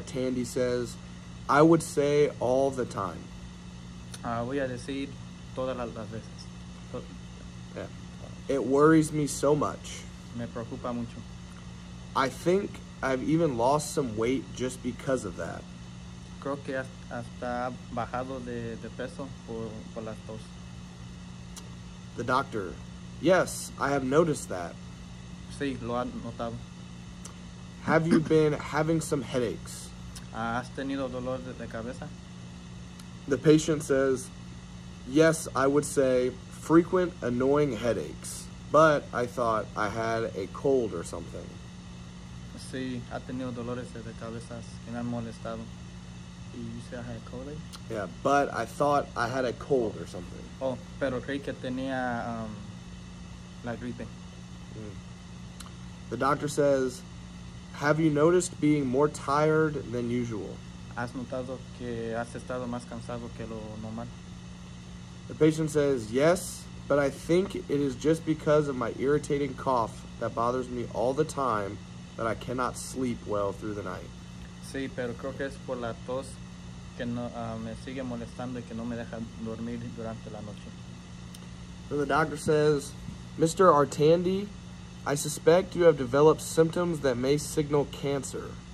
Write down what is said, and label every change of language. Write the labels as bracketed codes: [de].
[en] Artandi says, I would say all the time. [es] Voy a decir todas las veces. [en] Yeah. It worries me so much. [es] Me preocupa mucho. [en] I think I've even lost some weight just because of that. [es] Creo que hasta bajado de peso por la tos. [en] The doctor. Yes, I have noticed that. [es] Sí, lo ha notado. [en] Have you been having some headaches? [es] ¿Has tenido dolor de cabeza? [en] The patient says, yes, I would say frequent annoying headaches, but I thought I had a cold or something. [es] Sí, ha tenido dolores de cabeza que me han molestado. [en] Y you say I had a cold? Yeah, but I thought I had a cold or something. [es] Oh, pero creí que tenía la gripe. Mm. [en] The doctor says, have you noticed being more tired than usual? [es] ¿Has notado que has estado más cansado que lo normal? [en] The patient says, yes, but I think it is just because of my irritating cough that bothers me all the time that I cannot sleep well through the night. [es] Sí, pero creo que es por la tos que no, me sigue molestando y que no me deja dormir durante la noche. [en] Then the doctor says, Mr. Artandi, I suspect you have developed symptoms that may signal cancer.